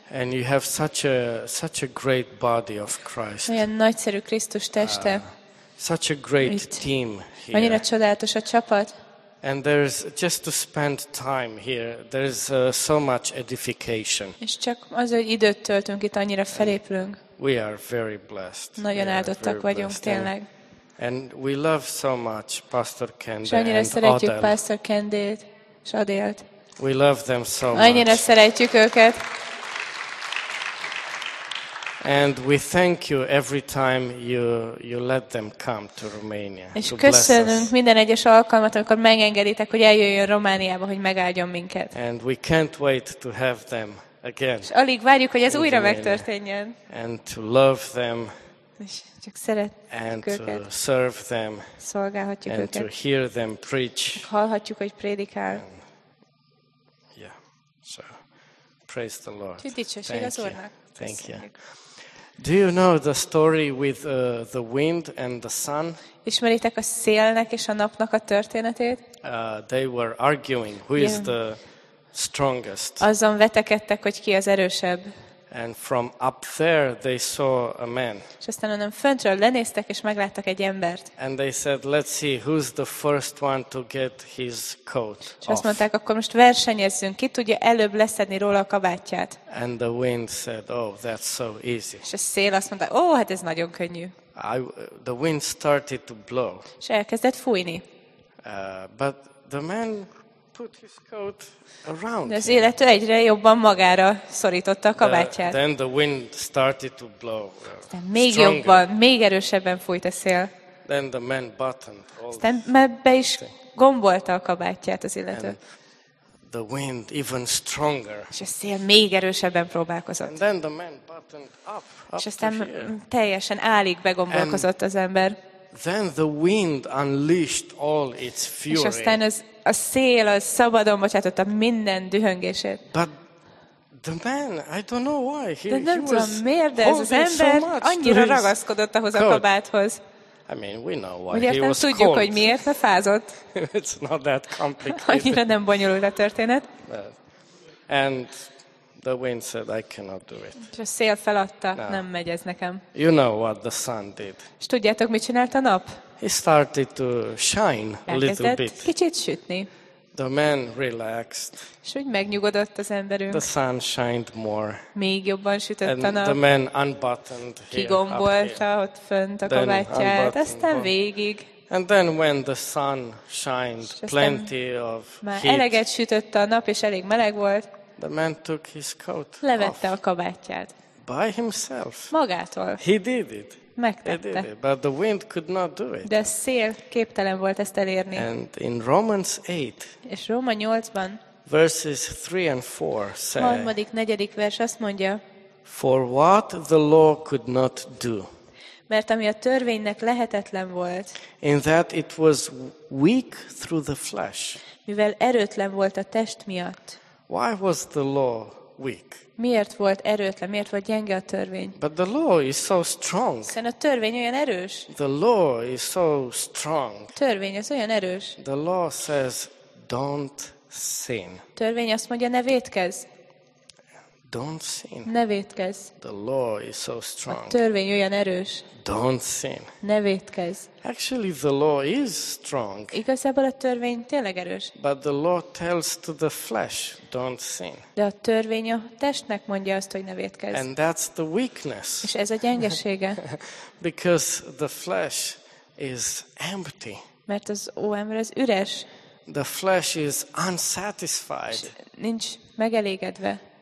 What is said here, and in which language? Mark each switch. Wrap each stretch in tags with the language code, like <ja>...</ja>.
<en>And you have such a great body of Christ.</en> <hu>Olyan nagyszerű Krisztus teste.</hu> <en>Such a great itt. Team here.</en> <hu>Annyira csodálatos a csapat.</hu> <en>And there's just to spend time here. There's so much edification.</en> <hu>És csak az, hogy időt töltünk itt, annyira felépülünk.</hu> <en>We are very blessed.</en> <hu>Nagyon áldottak vagyunk tényleg.</hu> <en>And we love so much Pastor Kendi and Adele.</en> <hu>Szeretjük Pastor Kendit és Adélt.</hu> <en>We love them so much.</en> <hu>Annyira szeretjük őket.</hu> <en>And we thank you every time you let them come to Romania.</en> <hu>És köszönünk minden egyes alkalmat, amikor megengeditek, hogy eljöjjön Romániába, hogy megáldjon minket.</hu> <en>And we can't wait to have them again.</en> <hu>És alig várjuk, hogy ez újra megtörténjen.</hu> <en>And to love them.</en> <hu>És csak szeretjük őket.</hu> <en>And to serve them.</en> <hu>Szolgálhatjuk őket.</hu> <en>And to hear them preach.</en> <hu>Hallhatjuk, hogy prédikál.</hu> <en>Yeah. So praise the Lord.</en> <hu>Dicsőség az Úrnak.</hu> <en>Thank you. Do you know the story with the wind and the sun?</en> <hu>Ismeritek a szélnek és a napnak a történetét?</hu> <en>They were arguing who is the strongest.</en> <hu>Azon vetekedtek, hogy ki az erősebb.</hu> <en>And from up there they saw a man.</en> <hu>És aztán onnan föntről lenéztek és megláttak egy embert.</hu> <en>And they said, let's see who's the first one to get his coat off.</en> <hu>És azt mondták, akkor most versenyezzünk, ki tudja előbb leszedni róla a kabátját.</hu> <en>And the wind said, oh, that's so easy.</en> <hu>És a szél azt mondta, oh, hát ez nagyon könnyű.</hu> <en>The wind started to blow.</en> <hu>És elkezdett fújni.</hu> <en>But the man put his coat around.</en> <hu>De az illető egyre jobban magára szorította a kabátját.</hu> <en>Then the wind started to blow.</en> <hu>Még jobban, még erősebben fújt a szél.</hu> <en>Then the man buttoned all.</en> <hu>Aztán már be is gombolta a kabátját az illető.</hu> <en>The wind even stronger.</en> <hu>És a szél még erősebben próbálkozott.</hu> <en>And then the man buttoned up.</en> <hu>És aztán teljesen állig begombolkozott az ember.</hu> <en>Then the wind unleashed all its fury.</en> <hu>És aztán a szél az szabadon bocsátotta minden dühöngését.</hu> <en>But the man, I don't know why he</en> <hu>was miért, de ez az ember</hu> <en>so</en> <hu>annyira ragaszkodott ahhoz a kabáthoz.</hu> <en>I mean, we know why</en> <hu>ugye,</hu> <en>he was</en> <hu>tudjuk,</hu> <en>cold.</en> <hu>Hogy miért, mert fázott.</hu> <en>It's not that complicated.</en> <hu>Annyira nem bonyolult a történet.</hu> <en>And the wind said, I cannot do it.</en> <hu>És a szél feladta, no. Nem megy ez nekem.</hu> <en>You know what the sun did.</en> <hu>És tudjátok, mit csinált a nap?</hu> <en>He started to shine a little bit.</en> <hu>Kicsit sütni.</hu> <en>The man relaxed.</en> <hu>És úgy megnyugodott az emberünk.</hu> <en>The sun shined more.</en> <hu>Még jobban sütött a nap.</hu> <en>And the man unbuttoned here.</en> <hu>Kigombolta ott fönt a kabátját, aztán végig.</hu> <en>And then when the sun shined plenty of heat.</en> <hu>Eleget sütött a nap, és elég meleg volt.</hu> <en>The man took his coat off.</en> <hu>Levette a kabátját.</hu> <en>By himself.</en> <hu>Magától.</hu> <en>He did it.</en> <hu>Megtette.</hu> <en>But the wind could not do it.</en> <hu>De a szél képtelen volt ezt elérni.</hu> <en>And in Romans 8.</en> <hu>És Róma 8-ban.</hu> <en>Verses 3 and 4 say.</en> <hu>Harmadik, negyedik vers azt mondja.</hu> <en>For what the law could not do.</en> <hu>Mert ami a törvénynek lehetetlen volt.</hu> <en>In that it was weak through the flesh.</en> <hu>Mivel erőtlen volt a test miatt.</hu> <en>Why was the law weak.</en> <hu>Miért volt erőtlen, miért volt gyenge a törvény?</hu> <en>But the law is so strong.</en> <hu>Hiszen a törvény olyan erős.</hu> <en>The law is so strong.</en> <hu>A törvény az olyan erős.</hu> <en>The law says don't sin.</en> <hu>A törvény azt mondja, ne vétkezz.</hu> <en>Don't sin.</en> <hu>Ne vétkezz.</hu> <en>The law is so strong.</en> <hu>A törvény olyan erős.</hu> <en>Don't sin.</en> <hu>Ne vétkezz.</hu> <en>Actually, the law is strong.</en> <hu>Igazából a törvény tényleg erős.</hu> <en>But the law tells to the flesh, don't sin.</en> <hu>De a törvény a testnek mondja azt, hogy ne vétkezz.</hu> <en>And that's the weakness.</en> <hu>És ez a gyengesége.</hu> <en>Because the flesh is empty.</en> <hu>Mert az ember az üres.</hu> <en>The flesh is unsatisfied.</en> <hu>Nincs megelégedve.</hu>